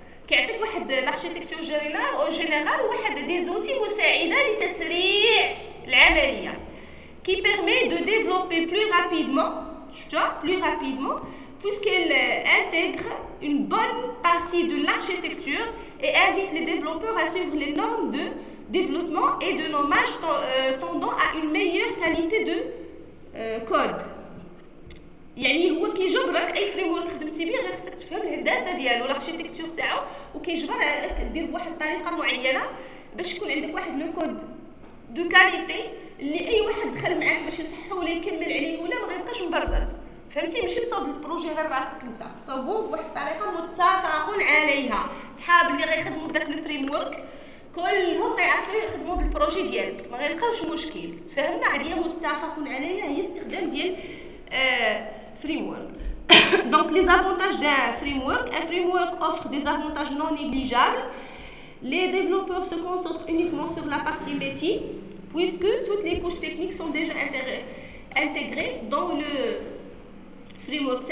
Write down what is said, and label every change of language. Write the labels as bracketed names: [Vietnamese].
[Arabic] كيعطيك واحد [French] لاركتيكتور جينيرال او جينيرال واحد دي زوتي [Arabic] مساعده لتسريع العمليه [French] كي بيرميت دو ديفلوبي بلو رابيدمون شتو بلو رابيدمون puisqu'elle intègre une bonne partie de l'architecture et invite les développeurs à suivre les normes de développement et de nommage tendant à une meilleure qualité de code. [Arabic] يعني هو كيجبرك اي فريمورك خدمتي بيه غير خصك تفهم الهندسه ديالو لاركتيكتور تاعو وكيجبر دير بواحد الطريقه معينه باش يكون عندك واحد لو كود [French] دو كاليتي [Arabic] اللي اي واحد دخل معاك باش يصحو ولا يكمل عليه ولا ما غيبقاش مبرزات. فهمتي؟ ماشي مصاوب البروجي غير راسك انت، صاوبو بواحد الطريقه متفق عليها. صحاب اللي غيخدموا داك الفريم ورك كلهم غيعرفوا يخدموا بالبروجي ديالك، ما غيلقاوش مشكل. تفهمنا؟ هذه متفق عليها، هي استخدام ديال فريم ورك. [French] دونك لي زافونتاج دا فريم ورك، فريم ورك اوفر دي زافونتاج نون نيجليجابل. Les développeurs se concentrent uniquement sur la partie métier, puisque toutes les couches techniques sont déjà intégrées dans le framework.